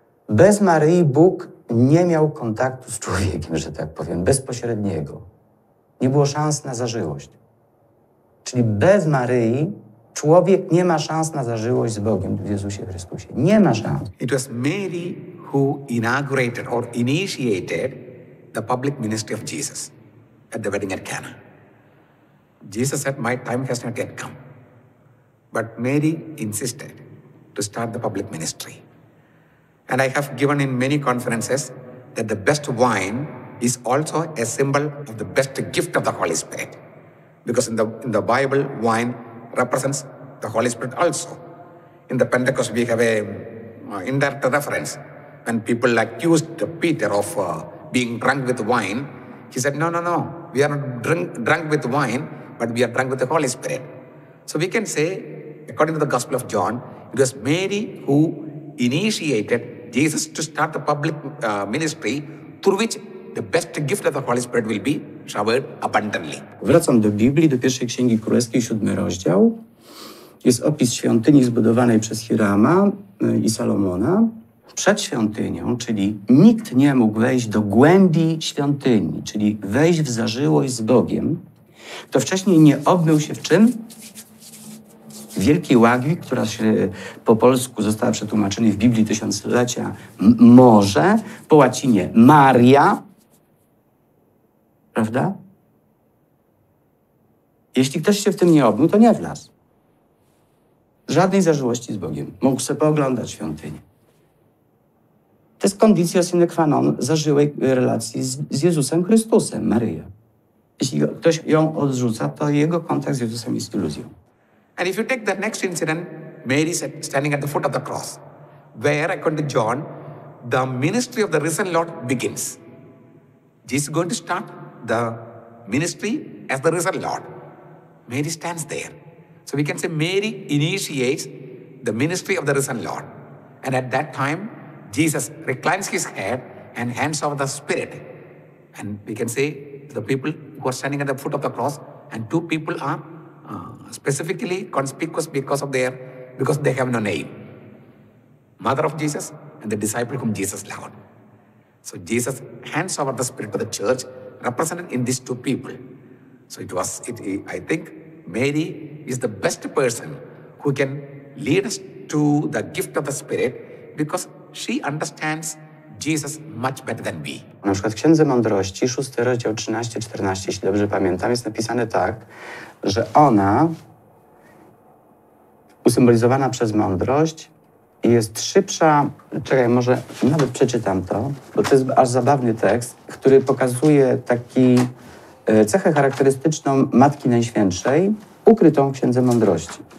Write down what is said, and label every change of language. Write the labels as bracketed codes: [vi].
[pl] Bez Maryi Bóg nie miał kontaktu z człowiekiem, że tak powiem, bezpośredniego. Nie było szans na zażyłość. Czyli bez Maryi człowiek nie ma szans na zażyłość z Bogiem w Jezusie Chrystusie. Nie ma szans. [en] It was Mary who inaugurated or initiated the public ministry of Jesus at the wedding at Cana. Jesus said, my time has not yet come. But Mary insisted to start the public ministry. And I have given in many conferences that the best wine is also a symbol of the best gift of the Holy Spirit. Because in the Bible, wine represents the Holy Spirit also. In the Pentecost, we have an indirect reference. When people accused Peter of being drunk with wine, he said, no, we are not drunk with wine, but we are drunk with the Holy Spirit. So we can say, according to the Gospel of John, it was Mary who initiated Jesus to start the public ministry through which the best gift of the Holy Spirit will be showered abundantly. [pl] Wracam do Biblii, do pierwszej Księgi Królewskiej, 7 rozdział. Jest opis świątyni zbudowanej przez Hirama i Salomona. Przed świątynią, czyli nikt nie mógł wejść do głębi świątyni, czyli wejść w zażyłość z Bogiem, to wcześniej nie obmył się w czym? Wielkiej łagwi, która się po polsku została przetłumaczona w Biblii tysiąclecia, morze, po łacinie Maria, prawda? Jeśli ktoś się w tym nie obmył, to nie wlazł. Żadnej zażyłości z Bogiem. Mógł sobie pooglądać świątynię. To jest conditio sine qua non zażyłej relacji z Jezusem Chrystusem, Maryja. Jeśli ktoś ją odrzuca, to jego kontakt z Jezusem jest iluzją. [en] And if you take the next incident, Mary is standing at the foot of the cross, where, according to John, the ministry of the risen Lord begins. Jesus is going to start the ministry as the risen Lord. Mary stands there. So we can say Mary initiates the ministry of the risen Lord. And at that time, Jesus reclines his head and hands over the Spirit. And we can say to the people who are standing at the foot of the cross, and two people are specifically conspicuous because they have no name. Mother of Jesus and the disciple whom Jesus loved. So Jesus hands over the Spirit to the church represented in these two people. So I think Mary is the best person who can lead us to the gift of the Spirit because she understands Jesus much better than we. [pl] Na przykład w Księdze Mądrości, 6 rozdział 13-14, jeśli dobrze pamiętam, jest napisane tak, że ona, usymbolizowana przez mądrość, jest szybsza, czekaj, może nawet przeczytam to, bo to jest aż zabawny tekst, który pokazuje taki cechę charakterystyczną Matki Najświętszej, ukrytą w Księdze Mądrości.